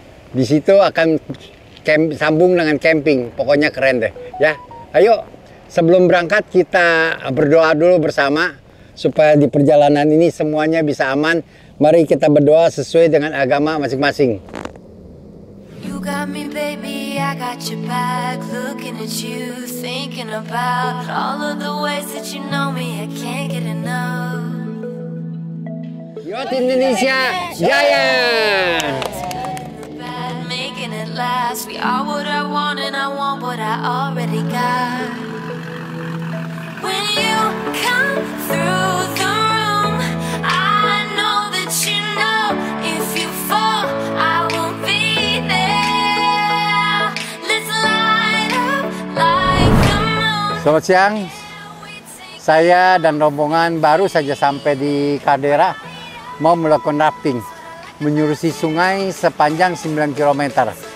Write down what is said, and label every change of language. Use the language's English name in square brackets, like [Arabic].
[Indonesian] Di situ akan sambung dengan camping, pokoknya keren deh. Ya, ayo sebelum berangkat kita berdoa dulu bersama. Supaya di perjalanan ini semuanya bisa aman, mari kita berdoa sesuai dengan agama masing-masing. [English] You got me baby, I got your back, looking at you, thinking about all of the ways that you know me, I can't get enough. [Indonesian] Yot Indonesia, jaya! [English] Making it last, we are what I want and I want what I already got. When you come through the room, I know that you know. If you fall, I won't be there. Let's light up like the moon. [Indonesian] Selamat siang. Saya dan rombongan baru saja sampai di Kaldera, mau melakukan rafting menyusuri sungai sepanjang 9 km.